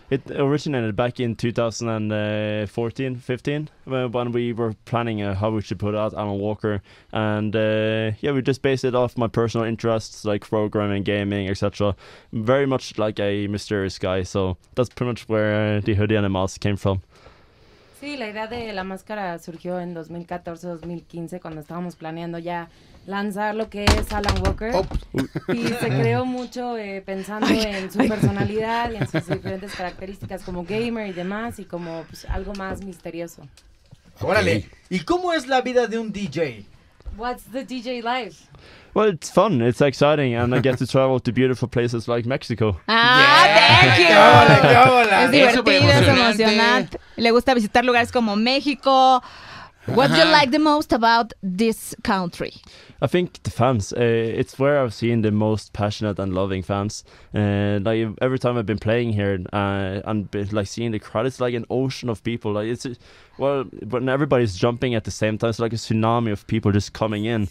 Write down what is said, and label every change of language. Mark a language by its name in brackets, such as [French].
[English] It originated back in 2014, 15, when we were planning how we should put out Alan Walker. And yeah, we just based it off my personal interests, like programming, gaming, etc. Very much like a mysterious guy. So that's pretty much where the hoodie and the mask came from. [Spanish] Sí, la idea de la máscara surgió en 2014-2015 cuando estábamos planeando ya lanzar lo que es Alan Walker. Y se creó mucho pensando en su personalidad y en sus diferentes características como gamer y demás y como pues, algo más misterioso. ¡Órale! ¿Y cómo es la vida de un DJ? [English] What's the DJ life? Well, it's fun, it's exciting, and I get to travel to beautiful places like Mexico. ¡Ah, yeah. Thank you! [Spanish] ¡Qué hola, qué hola! Es divertido, es emocionante. Le gusta visitar lugares como México. [English] What do you like the most about this country? I think the fans. It's where I've seen the most passionate and loving fans. Like every time I've been playing here and been, like seeing the crowd, it's like an ocean of people. Like it's well, when everybody's jumping at the same time, it's like a tsunami of people just coming in.